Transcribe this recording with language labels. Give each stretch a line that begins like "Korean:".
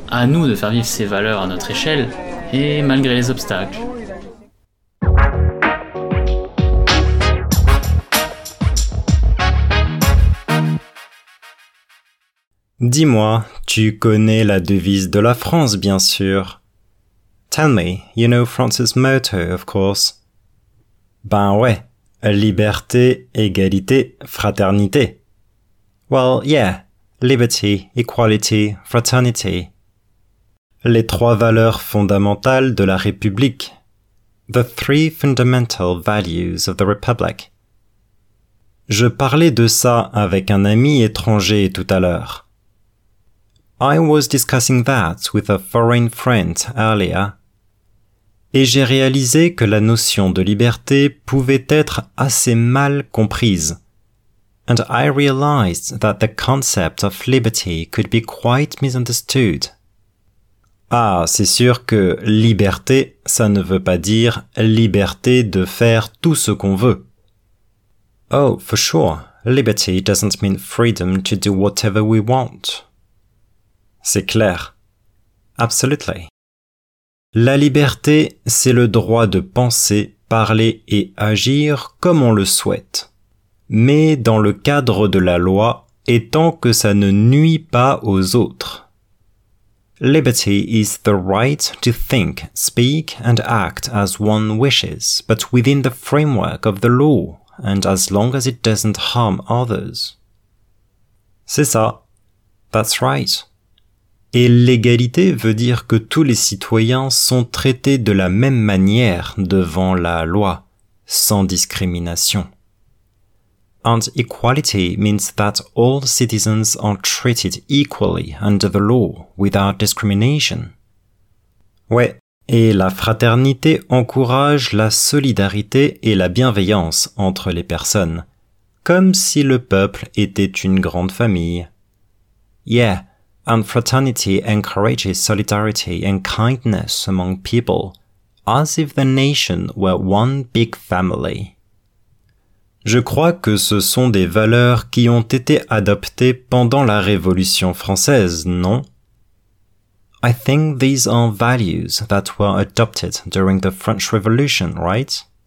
French: À nous de faire vivre ces valeurs à notre échelle, et malgré les obstacles. Dis-moi, tu connais la devise de la France, bien sûr.
English: Tell me, you know France's motto, of course.
French: Ben ouais, liberté, égalité, fraternité.
English: Well, yeah, liberty, equality, fraternity.
French: Les trois valeurs fondamentales de la République.
English: The three fundamental values of the Republic.
French: Je parlais de ça avec un ami étranger tout à l'heure.
English: I was discussing that with a foreign friend earlier.
French: Et j'ai réalisé que la notion de liberté pouvait être assez mal comprise.
English: And I realized that the concept of liberty could be quite misunderstood.
French: Ah, c'est sûr que liberté, ça ne veut pas dire liberté de faire tout ce qu'on veut.
English: Oh, for sure. Liberty doesn't mean freedom to do whatever we want.
French: C'est clair.
English: Absolutely.
French: La liberté, c'est le droit de penser, parler et agir comme on le souhaite, mais dans le cadre de la loi et tant que ça ne nuit pas aux autres.
English: Liberty is the right to think, speak and act as one wishes, but within the framework of the law and as long as it doesn't harm others.
French: C'est ça.
English: That's right.
French: Et l'égalité veut dire que tous les citoyens sont traités de la même manière devant la loi, sans discrimination.
English: And equality means that all citizens are treated equally under the law, without discrimination.
French: Ouais, et la fraternité encourage la solidarité et la bienveillance entre les personnes, comme si le peuple était une grande famille.
English: Yeah. And fraternity encourages solidarity and kindness among people, as if the nation were one big family.
French: Je crois que ce sont des valeurs qui ont été adoptées pendant la Révolution française, non?
English: I think these are values that were adopted during the French Revolution, right?